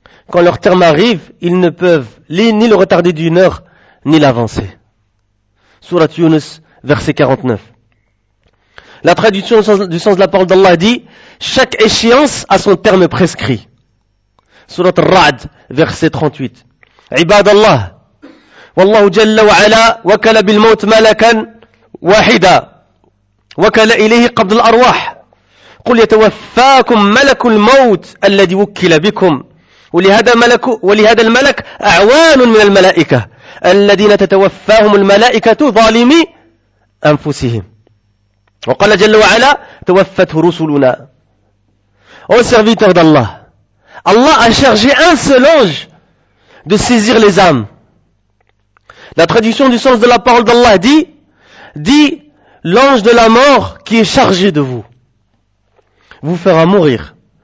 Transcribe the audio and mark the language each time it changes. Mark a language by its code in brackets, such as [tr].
[fr] Quand leur terme arrive, ils ne peuvent ni le retarder d'une heure, ni l'avancer. Surat Yunus, verset 49. La traduction du sens de la parole d'Allah dit: chaque échéance a son terme prescrit. Surat Ra'd, verset 38. [ar] Ibadallah, والله جل وعلا وكل بالموت ملكا واحدا وكل إليه قبض الأرواح قل يتوفاكم ملك الموت الذي وكل بكم ولهذا الملك أعوان من الملائكة الذين تتوفاهم الملائكة ظالمي أنفسهم وقال جل وعلا توفته رسلنا. [fr] Ô serviteur d'Allah, Allah a chargé un seul ange de saisir les âmes. La traduction du sens de la parole d'Allah dit l'ange de la mort qui est chargé de vous, vous fera mourir.